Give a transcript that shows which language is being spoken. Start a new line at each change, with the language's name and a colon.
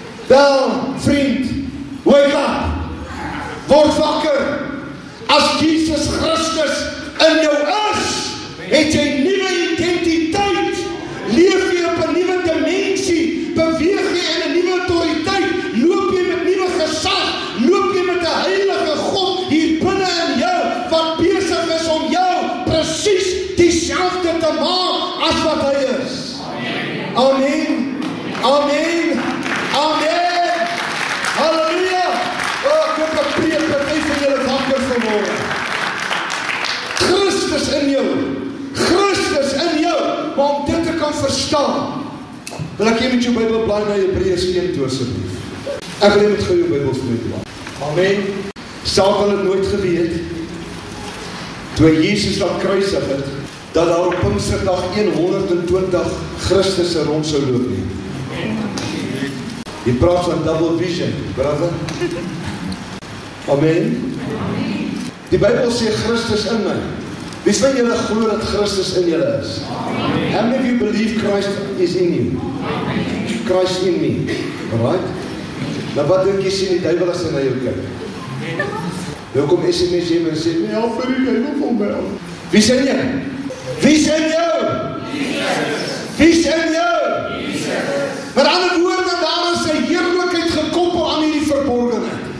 Afrikaans: Wel, vriend,
English: wake up,
Afrikaans: word wakker, as Jesus Christus in jou is, het jy nieuwe identiteit, leef jy op een nieuwe dimensie, beweeg jy in een nieuwe autoriteit, loop jy met nieuwe gesag, loop jy met die heilige God hier binnen in jou, wat besig is om jou precies diezelfde te maak as wat hy is. Amen. Amen. Amen. Halleluja. Oh, ek hoop ek preek met my van julle wakker vanmorgen. Christus in jou. Christus in jou. Maar om dit te kan verstaan, wil ek jy met jou Bybel blaai na Hebreërs 1 toe asseblief. Ek wil jy met jou Bybel vir my blaai. Amen. Self hulle het nooit geweet, toe Jesus dat kruisig het, dat daar op Pinksterdag 120 Christus in ons sou loop nie. Jy praat van
English: double vision, brother.
Afrikaans: Amen. Die Bybel sê Christus in my. Wie van julle glo dat Christus in julle is?
English: How many of you believe Christ is in you? Christ in me. Right?
Afrikaans: Nou wat doek jy sê die duivel as hy na jou kyk? Nou kom SMS jy en sê, nee, help vir die duivel van my. Wie sê jy? Wie sê jy? Jesus. Wie sê jy? Jesus. Met ander woorde, daar is sy heerlijkheid gekoppel aan die verborgenheid.